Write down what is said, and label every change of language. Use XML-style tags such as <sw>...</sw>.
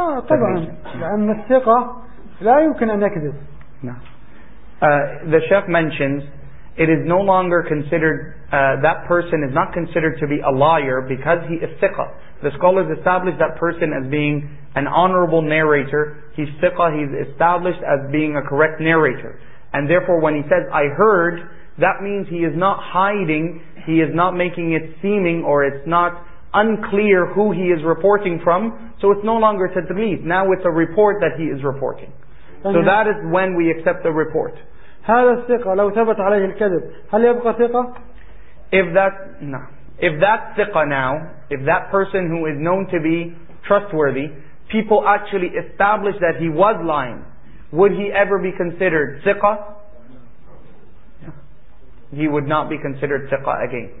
<ar>طبعا لان الثقه لا يمكن ان يكذب.</ar> <en>The Sheikh mentions it is no longer considered that person is not considered to be a liar because he is thiqa. The scholars established that person as being an honorable narrator. He's thiqa, he's established as being a correct narrator. And therefore when he says, I heard, that means he is not hiding, he is not making it seeming, or it's not unclear who he is reporting from. So it's no longer tadlis. Now it's a report that he is reporting. Okay. So that is when we accept the report.</en> <ar>هذا الثقة لو ثبت عليه الكذب هل يبقى ثقة؟</ar> <en>If that ثقة now, if that person who is known to be trustworthy, people actually establish that he was lying, would he ever be considered ثقة? Yeah. He would not be considered ثقة again.</en>